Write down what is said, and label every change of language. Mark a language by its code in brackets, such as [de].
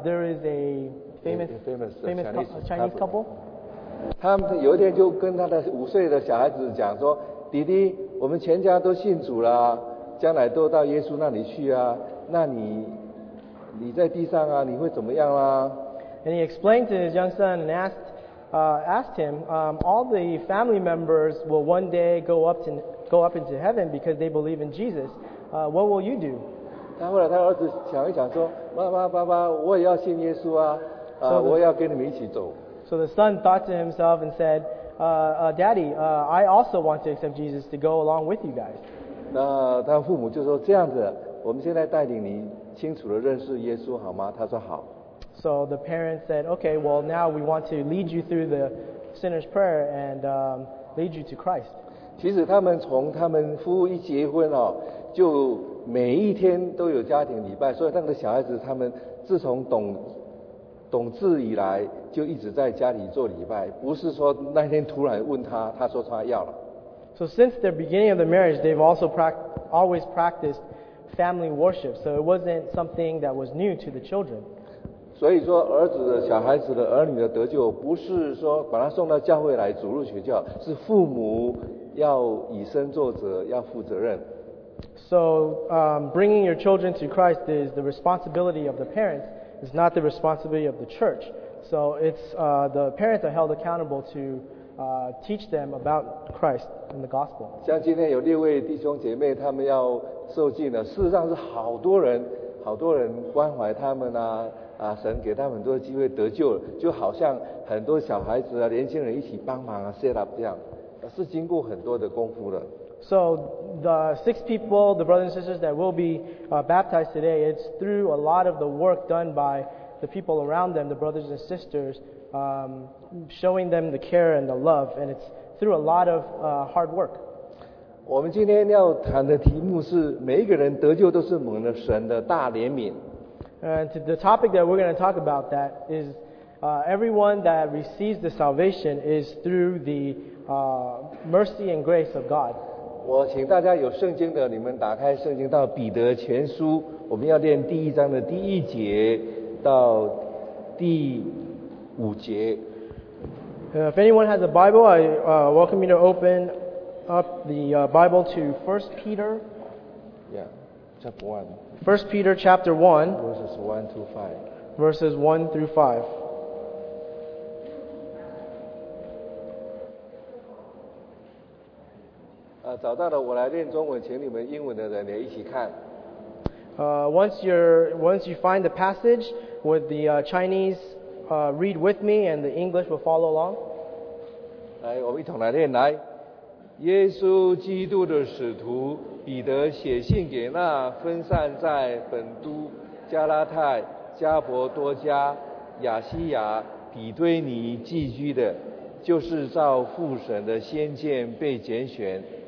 [en] There is a famous Chinese couple. [zh] 他们有一天就跟他的五岁的小孩子讲说：“弟弟，我们全家都信主了，将来都到耶稣那里去啊。那你在地上啊，你会怎么样啊？” [en] And he explained to his young son and asked him, all the family members will one day go up into heaven because they believe in Jesus. What will you do? [zh] 他后来他儿子想一想说，妈妈爸爸，我也要信耶稣啊，我也要跟你们一起走。 [en] So the son thought to himself and said, Daddy, I also want to accept Jesus to go along with you guys. [zh] 那他父母就说这样子，我们现在带领你清楚地认识耶稣好吗？他说好。 [en] So the parents said, okay, well now we want to lead you through the sinner's prayer and lead you to Christ. [zh] 其实他们从他们夫妇一结婚哦，就每一天都有家庭礼拜，所以那个小孩子他们自从懂字以来，就一直在家里做礼拜，不是说那天突然问他说他要了。 [en] So since the beginning of the marriage, they've also always practiced family worship, so it wasn't something that was new to the children. [zh] 所以说儿子的小孩子的儿女的得救，不是说把他送到教会来主入学教，是父母要以身作则，要负责任。 [en] So, bringing your children to Christ is the responsibility of the parents. It's not the responsibility of the church. So, it's the parents are held accountable to teach them about Christ and the gospel. [zh] 像今天有六位弟兄姐妹，他们要受浸了。事实上是好多人，好多人关怀他们啊，神给他们很多机会得救了，就好像很多小孩子啊、年轻人一起帮忙啊 ， [en] set up [zh] 这样。是经过很多的功夫的。 [en] So the 6 people, the brothers and sisters that will be baptized today, it's through a lot of the work done by the people around them, the brothers and sisters, showing them the care and the love, and it's through a lot of hard work. [zh] 我们今天要谈的题目是每一个人得救都是蒙了神的大怜悯。 [en] And the topic that we're going to talk about that is everyone that receives the salvation is through the mercy and grace of God. [zh] 我请大家有圣经的，你们打开圣经到彼得前书，我们要念第一章的第一节到第五节。 [en] If anyone has a Bible, I welcome you to open up the Bible to 1 Peter. Yeah, chapter 1. 1 Peter chapter 1. Verses 1 to 5. Verses 1 through 5. [zh] 找到了，我来念中文，请你们英文的人也一起看。 [en] Once you find the passage, with the Chinese read with me, and the English will follow along. [zh] 来，我们一同来念。来，耶稣基督的使徒彼得写信给那分散在本都、加拉太、加伯多加、亚西亚、比推尼寄居的，就是照父神的先见被拣选。